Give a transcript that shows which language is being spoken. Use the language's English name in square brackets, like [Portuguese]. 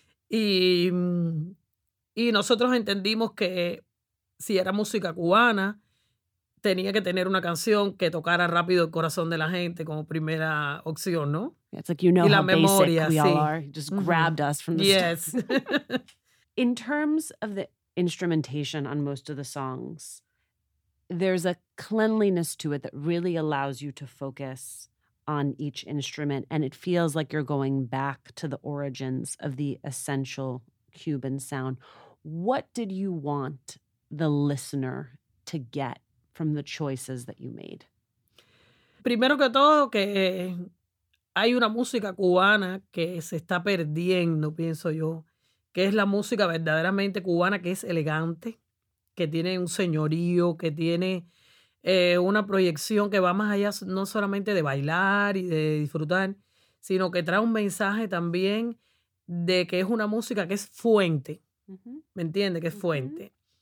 [Spanish] Y nosotros entendimos que si era música cubana, tenía que tener una canción que tocara rápido el corazón de la gente como primera opción, ¿no? [English] It's like, you know, [Spanish] y la [English] how [Spanish] memoria, [English] basic we all are. You just grabbed us from the start. In terms of the instrumentation on most of the songs, there's a cleanliness to it that really allows you to focus on each instrument, and it feels like you're going back to the origins of the essential Cuban sound. What did you want the listener to get from the choices that you made? [Spanish] Primero que todo, que hay una música cubana que se está perdiendo, pienso yo, que es la música verdaderamente cubana, que es elegante, que tiene un señorío, que tiene una proyección que va más allá no solamente de bailar y de disfrutar, sino que trae un mensaje también de que es una música que es fuente. ¿Me entiende? Que es fuente.